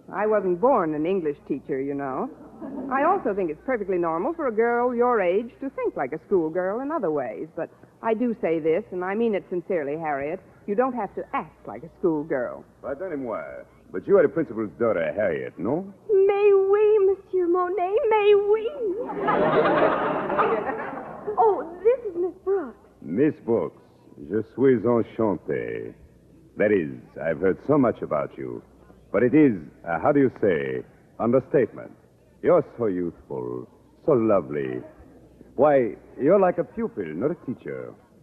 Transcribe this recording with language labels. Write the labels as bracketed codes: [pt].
[en] I wasn't born an English teacher, you know. I also think it's perfectly normal for a girl your age to think like a schoolgirl in other ways. But I do say this, and I mean it sincerely, Harriet. You don't have to act like a schoolgirl. [fr] Pardonnez-moi, [en] but you are the principal's daughter, Harriet, no? May we, Monsieur Monet, may we? Oh, this is Miss Brooks. Miss Brooks, [fr] je suis enchanté. [en] That is, I've heard so much about you. But it is, how do you say, understatement. You're so youthful, so lovely. Why, you're like a pupil, not a teacher.